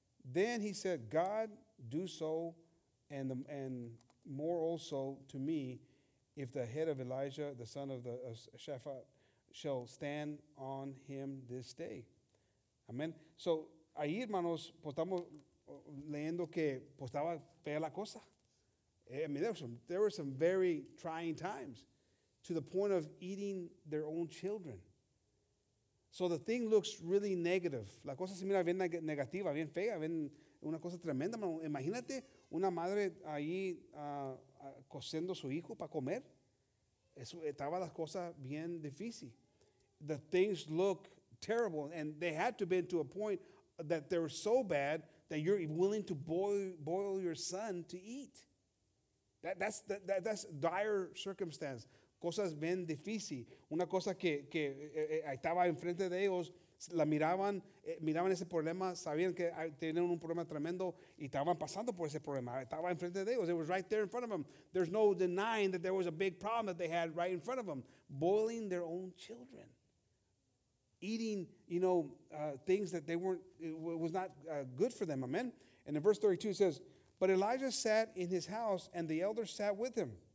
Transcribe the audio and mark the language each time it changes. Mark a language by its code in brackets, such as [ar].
[en] Then he said, God, do so, and more also to me, if the head of Elijah, the son of the Shaphat, shall stand on him this day. Amen. [es] So, ahí, hermanos, pues estamos leyendo que pues estaba fea la cosa. [en] I mean, there were some very trying times to the point of eating their own children. So the thing looks really negative. [es] La cosa se mira bien negativa, bien fea, bien una cosa tremenda. Imagínate una madre ahí cociendo su hijo para comer. Eso estaba las cosas bien difícil. [en] The things look terrible, and they had to be to a point that they were so bad that you're willing to boil your son to eat. That's dire circumstance. [es] Cosas bien difícil. Una cosa que estaba enfrente de ellos, la miraban, miraban ese problema, sabían que tenían un problema tremendo y estaban pasando por ese problema. Estaba enfrente de ellos. [en] It was right there in front of them. There's no denying that there was a big problem that they had right in front of them. Boiling their own children. Eating, you know, things that they weren't, it was not good for them. Amen. And in verse 32 it says, but Elijah sat in his house, and the elders sat with him.